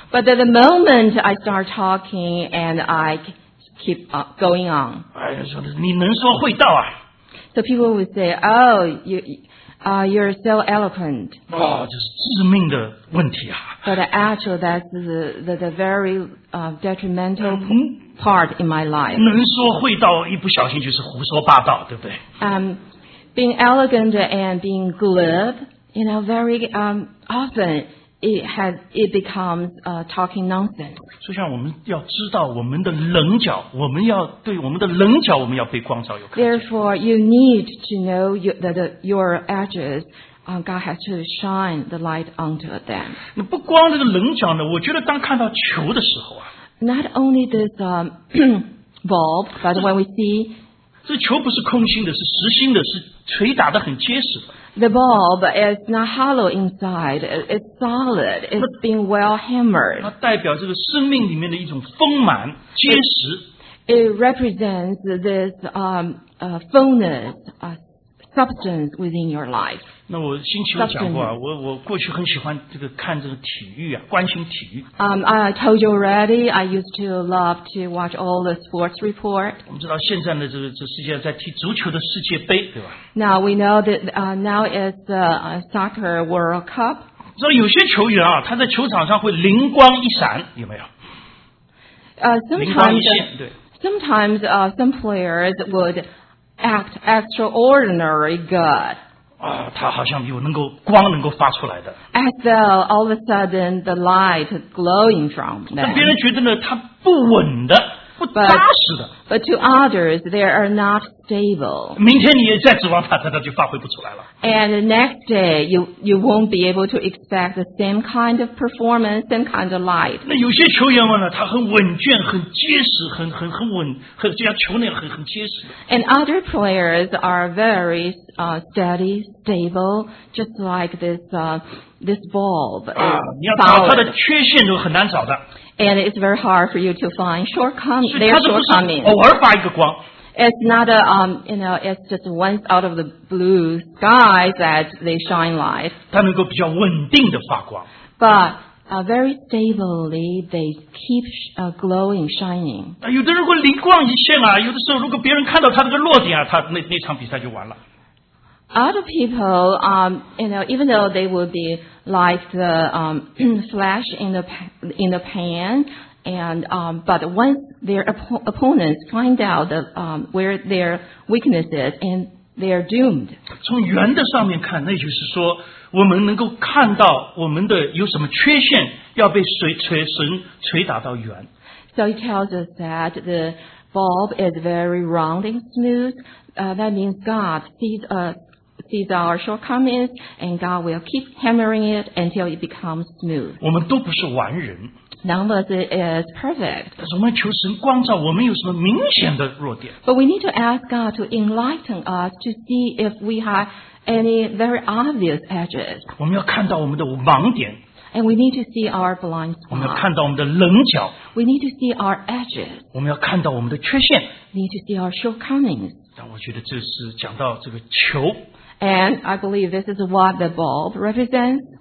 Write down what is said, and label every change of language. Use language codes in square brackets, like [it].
[en] But at the moment I start talking and I keep going on. [zh] 你能说会道啊。 [en] So people would say, oh, you're so eloquent. [zh] 这是致命的问题啊。 [en] But actually that's the very detrimental part in my life. [zh] 能说会道一不小心就是胡说八道，对不对？ [en] Being elegant and being glib, you know, very often it becomes talking nonsense. [zh] 就像我们要知道我们的棱角，我们要对我们的棱角，我们要被光照有看见。 [en] Therefore, you need to know your edges. God has to shine the light onto them. [zh] 那不光这个棱角呢？我觉得当看到球的时候啊 [en] ，Not only this bulb, but when we see [zh] 这球不是空心的，是实心的，是锤打得很结实。 [en] The bulb is not hollow inside; it's solid. It's being well hammered. [zh] 它代表这个生命里面的一种丰满、结实。 [en] It represents this fullness, substance within your life. [zh] 那我星期五讲过啊，我过去很喜欢这个看这个体育啊，关心体育。 [en] I told you already. I used to love to watch all the sports report. [zh] 我们知道现在的这世界在踢足球的世界杯，对吧 [en] ？Now we know that now is the soccer World Cup. [zh] 知道有些球员啊，他在球场上会灵光一闪，有没有？ [en] Sometimes some players would act extraordinary good. [zh] 他好像有能够光能够发出来的。 [en] As though all of a sudden the light glowing from them. [zh] 但别人觉得呢，他不稳的，不扎实的。 [en] But, But to others, they are not stable. [zh] 明天你再指望他就发挥不出来了。 [en] And the next day, you won't be able to expect the same kind of performance, same kind of light. [zh] 那有些球员们呢，他很稳健，很结实，很稳，很就像球那样很结实。 [en] And other players are very steady, stable, just like this bulb. [zh] 啊，你要找他的缺陷都很难找的。 [en] And it's very hard for you to find their shortcomings. [zh] 偶尔发一个光。 [en] It's not a, you know, it's just once out of the blue sky that they shine light. [zh] 它能够比较稳定的发光。 [en] But very stably, they keep glowing, shining. [zh] 有的人会灵光一现啊，有的时候如果别人看到他这个弱点啊，他那场比赛就完了。 [en] Other people, you know, even though they would be like the flash in the pan, and but once their opponents find out the where their weakness is, and they are doomed. [zh] 从圆的上面看，那就是说，我们能够看到我们的有什么缺陷，要被神捶打到圆。 [en] So he tells us that the bulb is very round and smooth. That means God sees us. These are our shortcomings, and God will keep hammering it until it becomes smooth. [zh] 我们都不是完人。 [en] None of us is perfect. [zh] 但是我们求神光照，我们有什么明显的弱点。 [en] But we need to ask God to enlighten us to see if we have any very obvious edges. [zh] 我们要看到我们的盲点。 [en] And we need to see our blind spots. [zh] 我们要看到我们的棱角。 [en] We need to see our edges. [zh] 我们要看到我们的缺陷。 [en] We need to see our shortcomings. [zh] 但我觉得这是讲到这个球。 [en] And I believe this is what the bulb represents.